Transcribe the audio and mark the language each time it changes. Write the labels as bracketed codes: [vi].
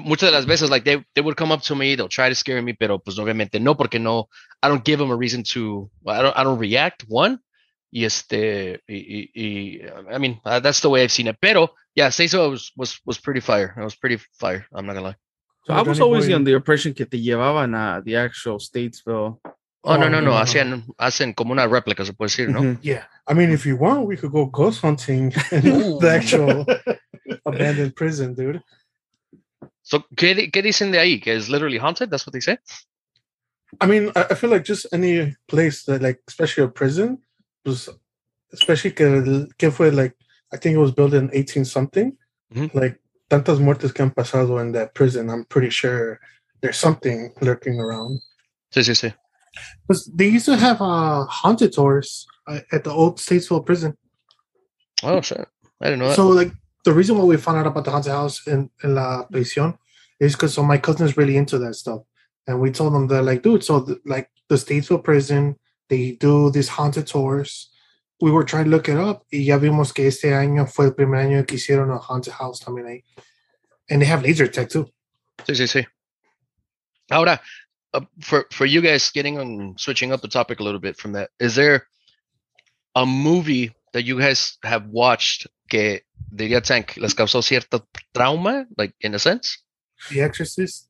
[es] Muchas de las veces, [en] like, they would come up to me, they'll try to scare me, [es] pero, pues, obviamente, no, porque no, [en] I don't give them a reason to, I don't react, one, y este, y I mean, that's the way I've seen it, pero, yeah, say so, it was pretty fire, I'm not gonna lie. So, I was always under the impression [es] que te llevaban a [en] the actual Statesville. [es] No, hacen como una réplica, se puede decir, ¿no? [en] Yeah, I mean, if you want, we could go ghost hunting the actual abandoned prison, dude. So, [es] ¿qué dicen de ahí? Que es [en] literally haunted? That's what they say? I mean, I feel like just any place that, like, especially a prison, was especially [es] que fue, [en] like, I think it was built in 18-something. Mm-hmm. Like, [es] tantas muertes que han pasado [en] in that prison, I'm pretty sure there's something lurking around. [es] Sí, sí, sí. [en] But they used to have haunted tours at the old Statesville prison. Oh, shit. I didn't know that. So, like, the reason why we found out about the haunted house in La Prisión is because so my cousin is really into that stuff. And we told them that, like, dude, so, like, the Statesville prison, they do these haunted tours. We were trying to look it up. [es] Y ya vimos que este año fue el primer año que hicieron [en] a haunted house [es] también ahí. [en] And they have laser tech, too. [es] Sí, sí, sí. [en] Ahora, for you guys, getting on, switching up the topic a little bit from that, is there a movie that you guys have watched [es] que diría tank les causó cierto trauma, [en] like in a sense? The Exorcist.